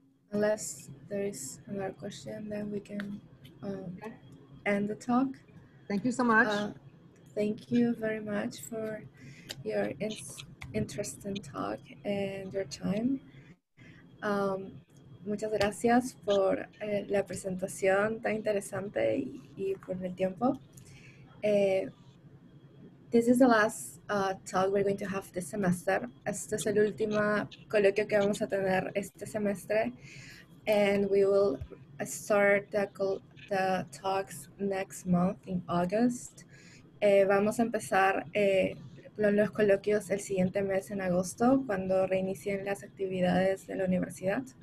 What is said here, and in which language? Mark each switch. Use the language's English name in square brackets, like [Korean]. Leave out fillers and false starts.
[English] Unless there is another question, then we can end the talk. Thank you so much. Thank you very much for your interesting talk and your time. [Spanish] Muchas gracias por la presentación tan interesante y por el tiempo. [English] This is the last talk we're going to have this semester. [Spanish] Este es el último coloquio que vamos a tener este semestre. [English] And we will start the talks next month in August. [Spanish] Vamos a empezar los coloquios el siguiente mes en agosto, cuando reinicien las actividades de la universidad.